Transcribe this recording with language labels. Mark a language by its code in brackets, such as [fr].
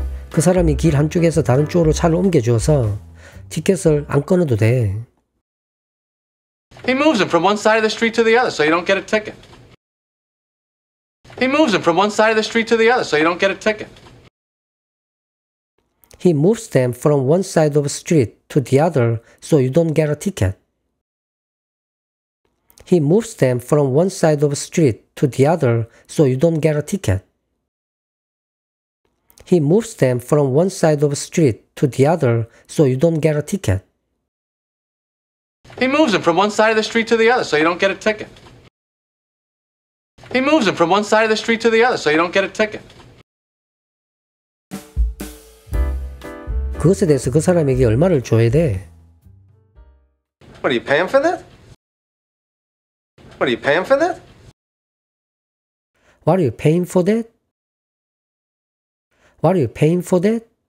[ko] 그 사람이 길 한쪽에서 다른 쪽으로 차를 옮겨 주어서 티켓을 안 꺼내도 돼. [en] He moves them from one side of the street to the other so you don't get a ticket. He moves them from one side of the street to the other so you don't get a ticket. He moves them from one side of the street to the other so you don't get a ticket. He moves them from one side of the street to the other so you don't get a ticket. He moves them from one side of the street to the other so you don't get a ticket. He moves them from one side of the street to the other so you don't get a ticket. He moves them from one side of the street to the other so you don't get a ticket. [ko] 그것에 대해서 그 사람에게 얼마를 줘야 돼? [en] What are you paying for that? What are you paying for that? What are you paying for that? What are you paying for that?